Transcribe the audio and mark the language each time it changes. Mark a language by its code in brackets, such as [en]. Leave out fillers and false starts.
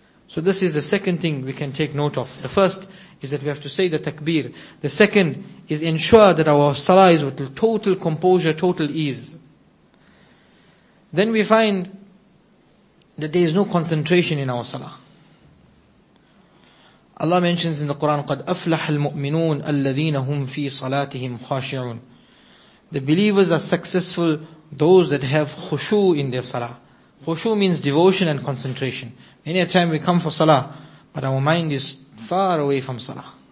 [en] So this is the second thing we can take note of. The first is that we have to say the takbir. The second is ensure that our salah is with total composure, total ease. Then we find that there is no concentration in our salah. Allah mentions in the Quran, [ar] قَدْ أَفْلَحَ الْمُؤْمِنُونَ الَّذِينَ هُمْ فِي صَلَاتِهِمْ خَاشِعُونَ. [en] The believers are successful, those that have khushu in their salah. Khushu means devotion and concentration. Many a time we come for salah, but our mind is far away from salah.